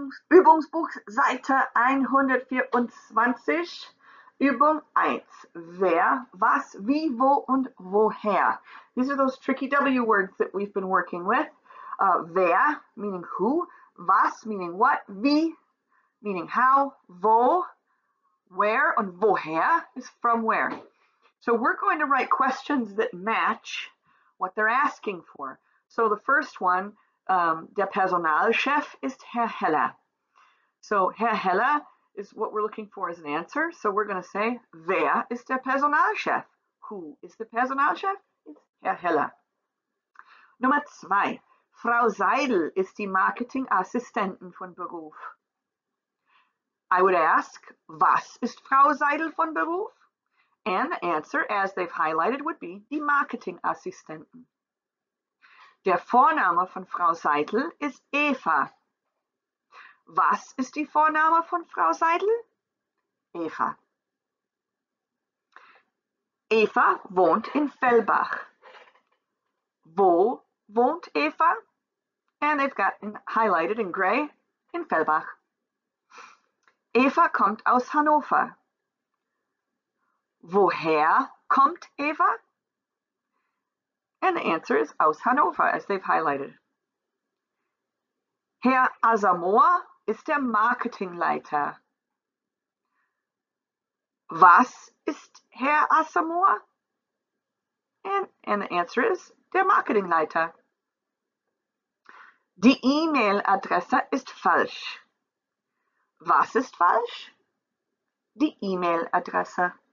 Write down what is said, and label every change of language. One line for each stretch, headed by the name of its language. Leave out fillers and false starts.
German: Übungsbuch, Seite 124, Übung 1. Wer, was, wie, wo und woher?
English: These are those tricky W words that we've been working with. Wer, meaning who, was, meaning what, wie, meaning how, wo, where, und woher is from where. So we're going to write questions that match what they're asking for. So the first one,
German: der Personalchef ist Herr Heller.
English: So Herr Heller is what we're looking for as an answer. So we're going to say,
German: wer ist der Personalchef?
English: Who is the Personalchef? It's Herr Heller.
German: Nummer zwei, Frau Seidel ist die Marketingassistentin von Beruf.
English: I would ask,
German: was ist Frau Seidel von Beruf?
English: And the answer, as they've highlighted, would be die Marketingassistentin.
German: Der Vorname von Frau Seidel ist Eva. Was ist die Vorname von Frau Seidel? Eva. Eva wohnt in Fellbach. Wo wohnt Eva?
English: And they've got highlighted in gray in Fellbach.
German: Eva kommt aus Hannover. Woher kommt Eva?
English: And the answer is
German: aus Hannover,
English: as they've highlighted.
German: Herr Asamoah ist der Marketingleiter. Was ist Herr Asamoah?
English: And the answer is
German: der Marketingleiter. Die E-Mail-Adresse ist falsch. Was ist falsch? Die E-Mail-Adresse.